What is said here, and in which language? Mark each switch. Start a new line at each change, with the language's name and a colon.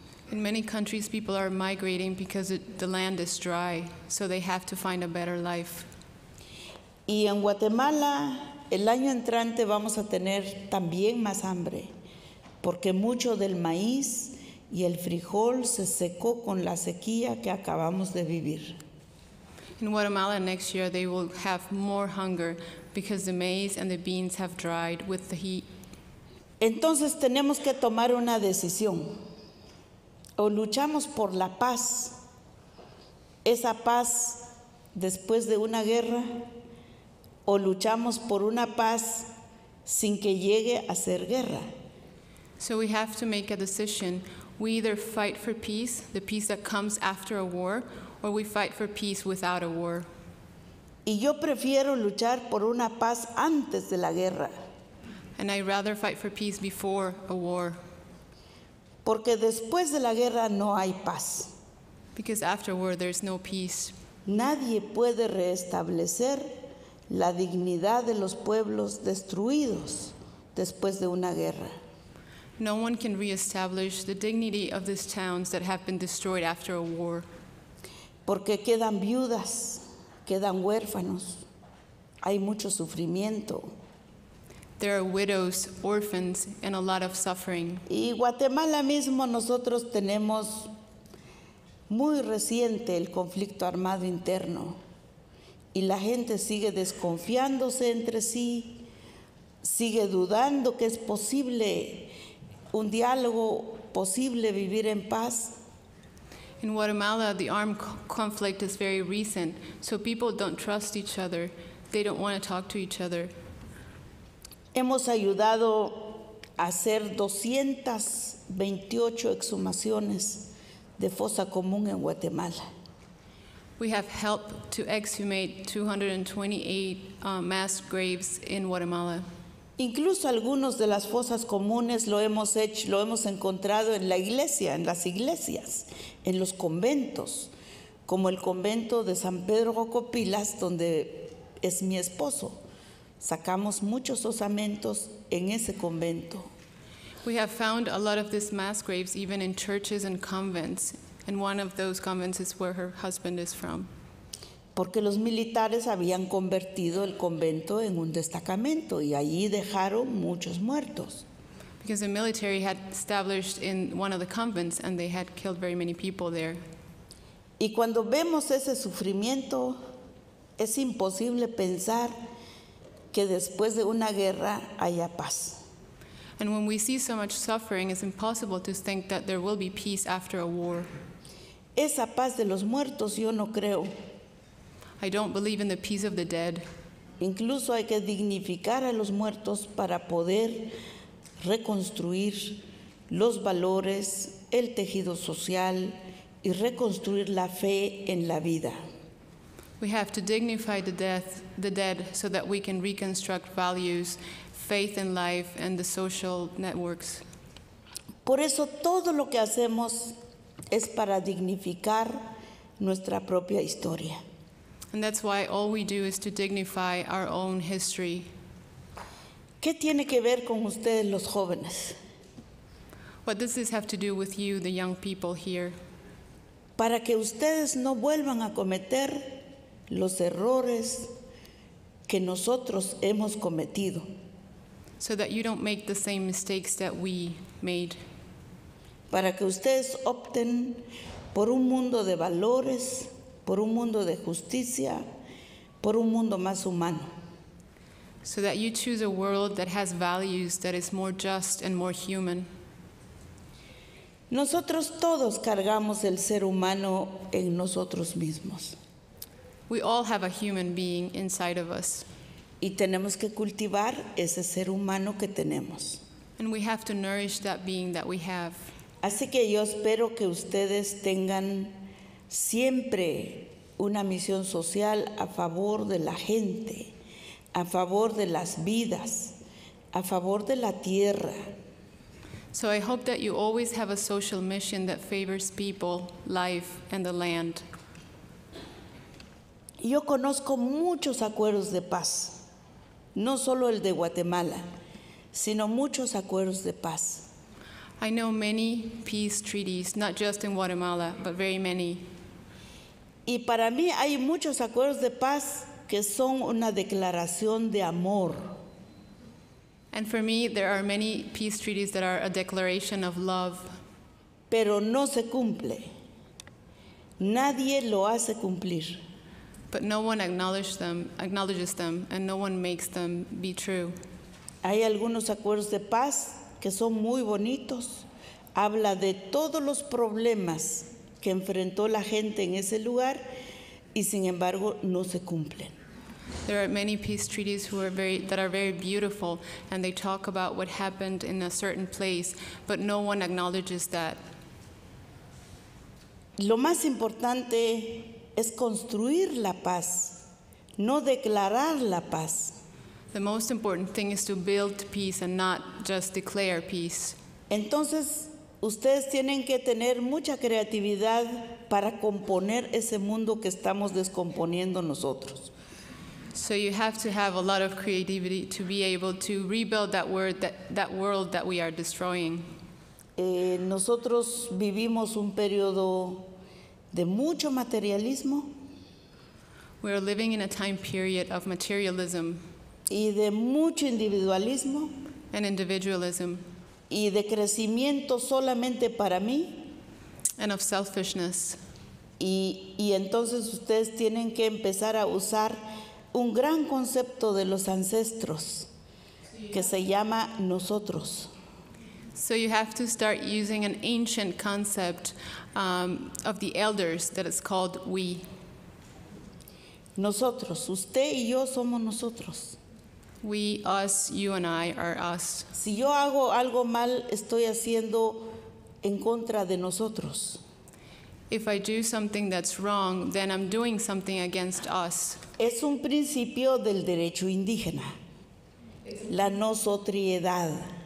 English: In many countries, people are migrating because the land is dry, so they have to find a better life.
Spanish: Y en Guatemala, el año entrante vamos a tener también más hambre, porque mucho del maíz y el frijol se secó con la sequía que acabamos de vivir.
English: In Guatemala next year they will have more hunger because the maize and the beans have dried with the heat.
Spanish: Entonces tenemos que tomar una decisión. O luchamos por la paz, esa paz después de una guerra, o luchamos por una paz sin que llegue a ser guerra.
English: So we have to make a decision. We either fight for peace, the peace that comes after a war, or we fight for peace without a war.
Spanish: Y yo prefiero luchar por una paz antes de la guerra.
English: And I'd rather fight for peace before a war.
Spanish: Porque después de la guerra no hay paz.
English: Because after war there's no peace.
Spanish: Nadie puede reestablecer la dignidad de los pueblos destruidos después de una guerra.
English: No one can reestablish the dignity of these towns that have been destroyed after a war.
Spanish: Porque quedan viudas, quedan huérfanos. Hay mucho sufrimiento.
English: There are widows, orphans, and a lot of suffering.
Spanish: Y Guatemala mismo nosotros tenemos muy reciente el conflicto armado interno. Y la gente sigue desconfiándose entre sí, sigue dudando que es posible un diálogo, posible vivir en paz.
English: In Guatemala, the armed conflict is very recent, so people don't trust each other. They don't want to talk to each other.
Spanish: Hemos ayudado a hacer 228 exhumaciones de fosa común en Guatemala.
English: We have helped to exhumate 228 mass graves in Guatemala.
Spanish: Incluso algunos de las fosas comunes lo hemos encontrado en la iglesia, en las iglesias, en los conventos, como el convento de San Pedro Cocopilas, donde es mi esposo. Sacamos muchos osamentos en ese convento.
English: We have found a lot of these mass graves even in churches and convents. And one of those convents is where her husband is from.
Spanish: Porque los militares habían convertido el convento en un destacamento y allí dejaron muchos muertos.
English: Because the military had established in one of the convents and they had killed very many people there.
Spanish: Y cuando vemos ese sufrimiento, es imposible pensar que después de una guerra haya paz.
English: And when we see so much suffering, it's impossible to think that there will be peace after a war.
Spanish: Esa paz de los muertos yo no creo.
English: I don't believe in the peace of the dead.
Spanish: Incluso hay que dignificar a los muertos para poder reconstruir los valores, el tejido social y reconstruir la fe en la vida.
English: We have to dignify the dead so that we can reconstruct values, faith in life and the social networks.
Spanish: Por eso todo lo que hacemos es para dignificar nuestra propia historia.
English: And that's why all we do is to dignify our own history.
Spanish: ¿Qué tiene que ver con ustedes, los jóvenes?
English: What does this have to do with you, the young people here?
Spanish: Para que ustedes no vuelvan a cometer los errores que nosotros hemos cometido.
English: So that you don't make the same mistakes that we made.
Spanish: Para que ustedes opten por un mundo de valores, por un mundo de justicia, por un mundo más humano.
English: So that you choose a world that has values, that is more just and more human.
Spanish: Nosotros todos cargamos el ser humano en nosotros mismos.
English: We all have a human being inside of us.
Spanish: Y tenemos que cultivar ese ser humano que tenemos.
English: And we have to nourish that being that we have.
Spanish: Así que yo espero que ustedes tengan siempre una misión social a favor de la gente, a favor de las vidas, a favor de la tierra.
English: So I hope that you always have a social mission that favors people, life, and the land.
Spanish: Yo conozco muchos acuerdos de paz, no solo el de Guatemala, sino muchos acuerdos de paz.
English: I know many peace treaties, not just in Guatemala, but very many.
Spanish: Y para mí hay muchos acuerdos de paz que son una declaración de amor.
English: And for me, there are many peace treaties that are a declaration of love.
Spanish: Pero no se cumple. Nadie lo hace cumplir.
English: But no one acknowledges them, and no one makes them be true.
Spanish: Hay algunos acuerdos de paz que son muy bonitos. Habla de todos los problemas que enfrentó la gente en ese lugar, y sin embargo, no se cumplen.
English: There are many peace treaties that are very beautiful, and they talk about what happened in a certain place, but no one acknowledges that.
Spanish: Lo más importante es construir la paz, no declarar la paz.
English: The most important thing is to build peace and not just declare peace.
Spanish: Entonces, ustedes tienen que tener mucha creatividad para componer ese mundo que estamos descomponiendo nosotros.
English: So you have to have a lot of creativity to be able to rebuild that world that we are destroying.
Spanish: Nosotros vivimos un periodo de mucho materialismo.
English: We are living in a time period of materialism.
Spanish: Y de mucho individualismo.
English: And individualism.
Spanish: Y de crecimiento solamente para mí.
English: And of selfishness.
Spanish: Y entonces ustedes tienen que empezar a usar un gran concepto de los ancestros, que se llama nosotros.
English: So you have to start using an ancient concept of the elders that is called we.
Spanish: Nosotros, usted y yo somos nosotros.
English: We, us, you and I are us.
Spanish: Si yo hago algo mal, estoy haciendo en contra de nosotros.
English: If I do something that's wrong, then I'm doing something against us.
Spanish: Es un principio del derecho indígena, la nosotriedad.